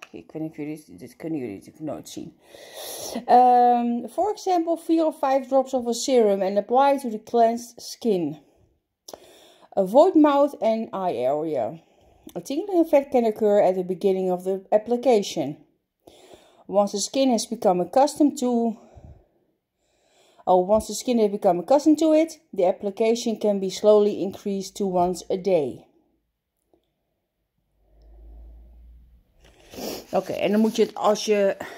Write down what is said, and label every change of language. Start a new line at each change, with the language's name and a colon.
Dutch: Ik weet niet of jullie dit kunnen jullie natuurlijk nooit zien.
English: For example, 4 of 5 drops of a serum and apply to the cleansed skin. Avoid mouth and eye area. A tingling effect can occur at the beginning of the application. Once the skin has become accustomed to. Oh, once the skin has become accustomed to it, the application can be slowly increased to once a day.
Dutch: Oké, en dan moet je het als je.